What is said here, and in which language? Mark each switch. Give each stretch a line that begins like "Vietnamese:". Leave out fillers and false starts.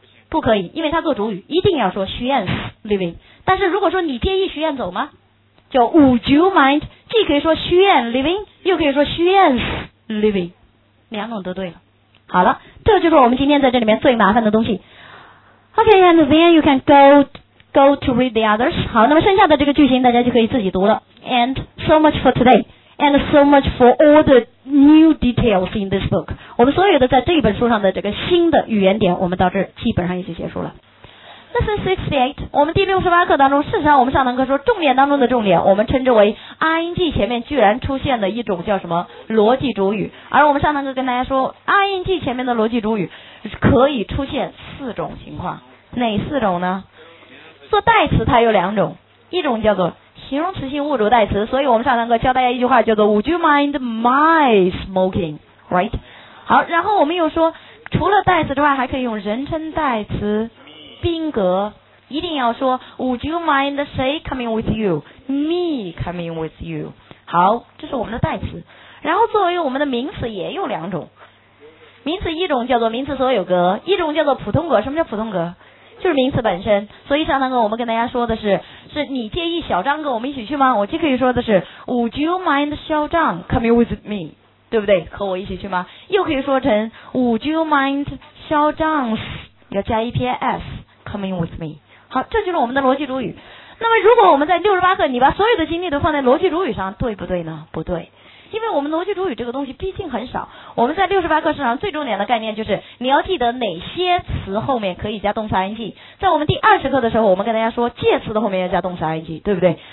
Chinese: 不可以，因为他做主语，一定要说徐燕 living。但是如果说你介意徐燕走吗，叫
English: would you mind，
Chinese: 既可以说徐燕 living， 又可以说徐燕 living， 两种都对了。好了，这就是我们今天在这里面最麻烦的东西。
English: OK， and then you can go go to read the others.
Chinese: 好，那么剩下的这个句型大家就可以自己读了。
English: And so much for today. And so much for all the new details in this book.
Chinese: 我们所有的在这本书上的这个新的语言点，我们到这儿基本上也就结束了。
English: Lesson 68.
Chinese: 我们第68课当中，事实上我们上堂课说重点当中的重点，我们称之为 ing 前面居然出现了一种叫什么逻辑主语。而我们上堂课跟大家说 ing 前面的逻辑主语可以出现四种情况。哪四种呢？做代词它有两种，一种叫做形容词性物主代词，所以我们上堂课教大家一句话叫做
English: Would you mind my smoking? Right?
Chinese: 好，然后我们又说除了代词之外还可以用人称代词宾格，一定要说
English: Would you mind
Chinese: 谁
English: coming with you? Me coming with you.
Chinese: 好，这是我们的代词。然后作为我们的名词也有两种，名词一种叫做名词所有格，一种叫做普通格。什么叫普通格？就是名词本身。所以上堂课我们跟大家说的是你介意小张跟我们一起去吗？我就可以说的是
English: Would you mind
Chinese: 小张
English: coming with me?
Chinese: 对不对？和我一起去吗？又可以说成
English: Would you mind
Chinese: 小张 's 要加一撇 s
English: coming with me?
Chinese: 好，这就是我们的逻辑主语。那么如果我们在68课你把所有的精力都放在逻辑主语上，对不对呢？不对，因为我们逻辑主语这个东西毕竟很少。我们在68课上最重点的概念就是你要记得哪些词后面可以加动词 ing。在我们第20课的时候我们跟大家说介词的后面要加动词 ing， 对不对？